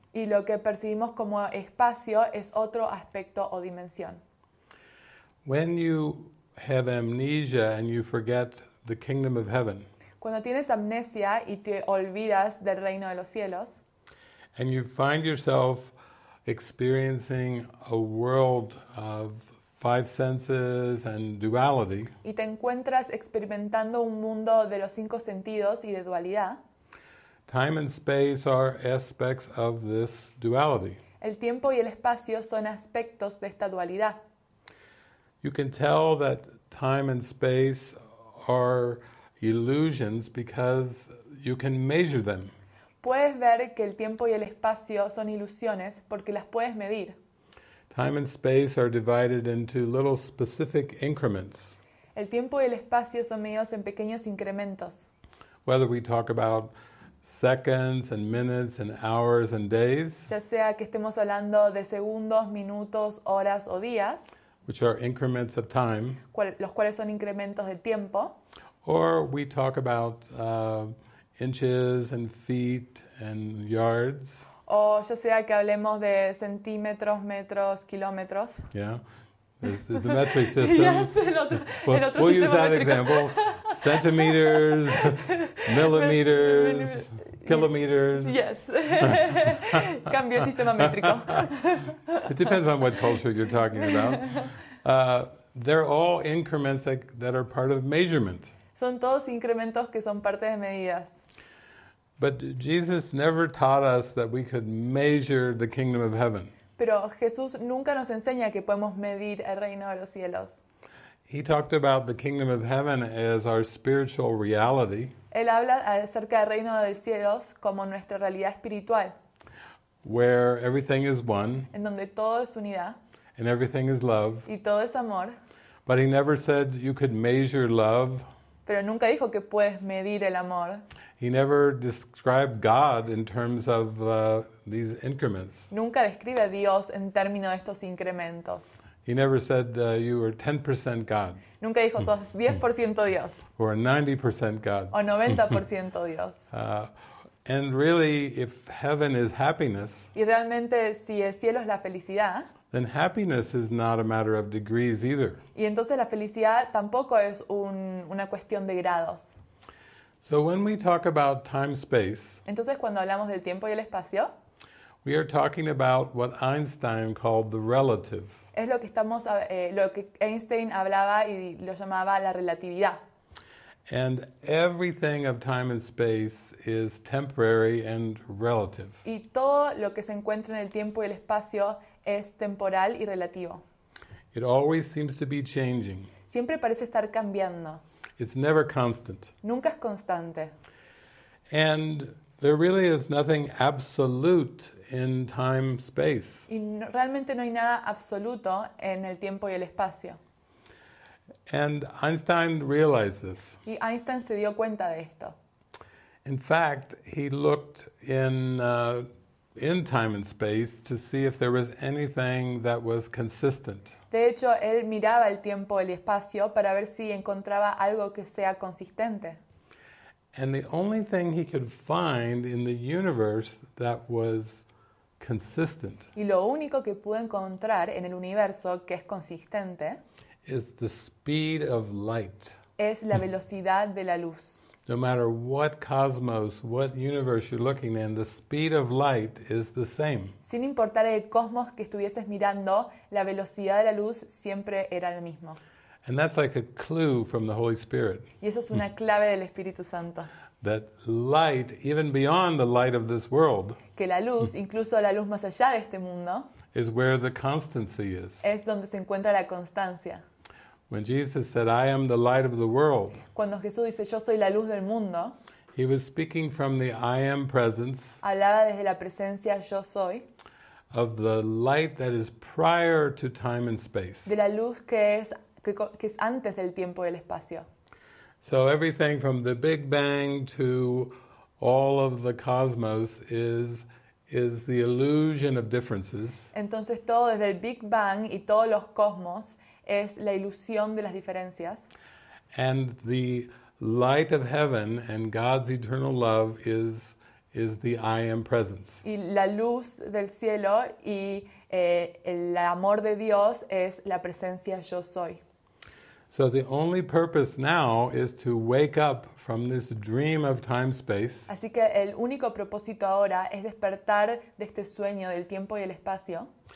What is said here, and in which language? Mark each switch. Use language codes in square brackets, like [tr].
[es] Y lo que percibimos como espacio es otro aspecto o dimensión. [en] When you have amnesia and you forget the kingdom of heaven. [es] Cuando tienes amnesia y te olvidas del reino de los cielos. [en] And you find yourself experiencing a world of five senses and duality. [es] Y te encuentras experimentando un mundo de los cinco sentidos y de dualidad. [en] Time and space are aspects of this duality. [es] El tiempo y el espacio son aspectos de esta dualidad. [en] You can tell that time and space are illusions because you can measure them. [es] Puedes ver que el tiempo y el espacio son ilusiones porque las puedes medir. [en] Time and space are divided into little specific increments. [es] El tiempo y el espacio son medidos en pequeños incrementos. [en] Whether we talk about seconds and minutes and hours and days. [es] Ya sea que estemos hablando de segundos, minutos, horas o días. [en] Which are increments of time. [es] Los cuales son incrementos de tiempo. [en] Or we talk about inches and feet and yards. [es] O ya sea que hablemos de centímetros, metros, kilómetros. [en] Yeah. The metric system. Yes, we'll use that example. Centimeters, millimeters, kilometers. [es] Yes. Cambio el sistema métrico. [en] It depends on what culture you're talking about. They're all increments that are part of measurement. [es] Son todos incrementos que son parte de medidas. [en] But Jesus never taught us that we could measure the kingdom of heaven. [es] Pero Jesús nunca nos enseña que podemos medir el reino de los cielos. [en] He talked about the kingdom of heaven as our spiritual reality. [es] Él habla acerca del reino de los cielos como nuestra realidad espiritual. [en] Where everything is one. [es] En donde todo es unidad. [en] And everything is love. [es] Y todo es amor. [en] But he never said you could measure love. [es] Pero nunca dijo que puedes medir el amor. [en] He never described God in terms of these increments. [es] Nunca describe a Dios en términos de estos incrementos. [en] He never said you were 10% God. [es] Nunca dijo sos 10% Dios. [en] Or 90% God. [es] O 90% Dios. [en] And really, if heaven is happiness, [es] y realmente si el cielo es la felicidad, [en] then happiness is not a matter of degrees either. [es] Y entonces la felicidad tampoco es una cuestión de grados. [en] So when we talk about time space, [es] entonces cuando hablamos del tiempo y el espacio, [en] we are talking about what Einstein called the relative. [es] Es lo que estamos lo que Einstein hablaba y lo llamaba la relatividad. [en] And everything of time and space is temporary and relative. [es] Y todo lo que se encuentra en el tiempo y el espacio es temporal y relativo. [en] It always seems to be changing. [es] Siempre parece estar cambiando. [en] It's never constant. [es] Nunca es constante. [en] And there really is nothing absolute in time space. [es] Y realmente no hay nada absoluto en el tiempo y el espacio. [en] And Einstein realized this. [es] Y Einstein se dio cuenta de esto. [en] In fact, he looked in time and space to see if there was anything that was consistent. [es] De hecho, él miraba el tiempo y el espacio para ver si encontraba algo que sea consistente. [en] And the only thing he could find in the universe that was consistent. [es] Y lo único que pudo encontrar en el universo que es consistente [en] is the speed of light. [es] Es la velocidad de la luz. [en] No matter what cosmos, what universe you're looking in, the speed of light is the same. [es] Sin importar el cosmos que estuvieses mirando, la velocidad de la luz siempre era la misma. [en] And that's like a clue from the Holy Spirit. [es] Y eso es una clave del Espíritu Santo. [en] That light, even beyond the light of this world, [es] que la luz, incluso la luz más allá de este mundo, [en] is where the constancy is. [es] Es donde se encuentra la constancia. [en] When Jesus said, "I am the light of the world," [es] cuando Jesús dice, "Yo soy la luz del mundo," [en] he was speaking from the I am presence. [es] Hablaba desde la presencia yo soy. [en] Of the light that is prior to time and space. [es] De la luz que es antes del tiempo y el espacio. [en] So everything from the Big Bang to all of the cosmos is the illusion of differences. [es] Entonces todo desde el Big Bang y todos los cosmos es la ilusión de las diferencias. [en] And the light of heaven and God's eternal love is the I am presence. [es] Y la luz del cielo y el amor de Dios es la presencia yo soy. [en] So the only purpose now is to wake up from this dream of time space. [es] Así que el único propósito ahora es despertar de este sueño del tiempo y el espacio.